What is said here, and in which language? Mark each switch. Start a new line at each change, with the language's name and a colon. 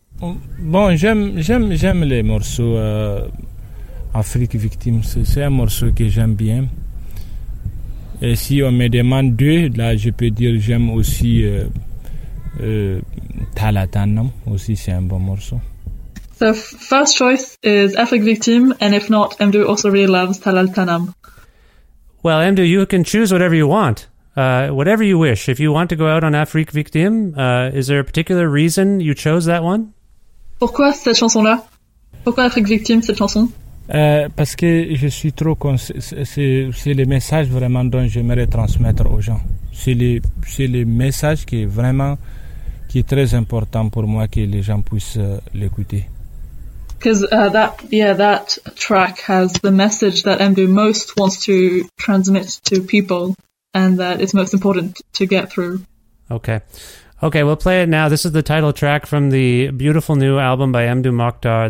French: Bon, j'aime les morceaux Afrique Victime. C'est un morceau que j'aime bien. Et si on me demande deux, là, je peux dire j'aime aussi Talatanam. Aussi, c'est un bon morceau.
English: So first choice is Afrique Victime, and if not, Amdu also really loves Talal Tanam. Well, Amdu, you can choose whatever you want, whatever you wish. If you want to go out on Afrique Victime, is there a particular reason you chose that one?
French: Pourquoi cette chanson-là? Pourquoi Afrique Victime, cette chanson? Parce que je suis trop c'est le message vraiment dont j'aimerais transmettre aux gens. C'est le message qui est vraiment qui est très important pour moi que les gens puissent l'écouter.
English: Because that track has the message that Amdu most wants to transmit to people, and that it's most important to get through. Okay, we'll play it now. This is the title track from the beautiful new album by Amdu Mokhtar.